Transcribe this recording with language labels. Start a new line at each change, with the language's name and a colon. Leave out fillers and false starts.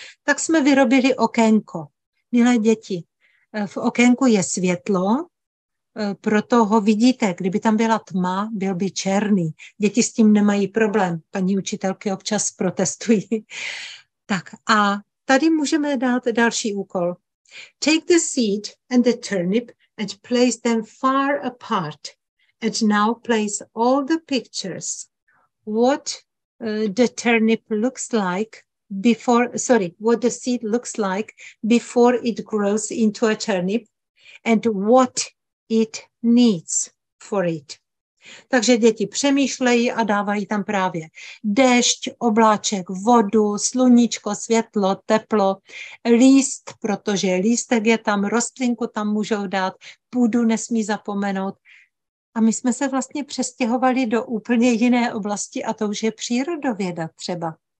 Czech: Tak jsme vyrobili okénko. Milé děti, v okénku je světlo, proto ho vidíte, kdyby tam byla tma, byl by černý. Děti s tím nemají problém, paní učitelky občas protestují. Tak a tady můžeme dát další úkol.
English: Take the seed and the turnip and place them far apart. And now place all the pictures. What the turnip looks like before, sorry, what the seed looks like before it grows into a turnip and what it needs for it.
Czech: Takže děti přemýšlejí a dávají tam právě déšť, obláček, vodu, sluníčko, světlo, teplo, líst, protože lístek je tam, rostlinku tam můžou dát, půdu nesmí zapomenout. A my jsme se vlastně přestěhovali do úplně jiné oblasti a to už je přírodověda třeba.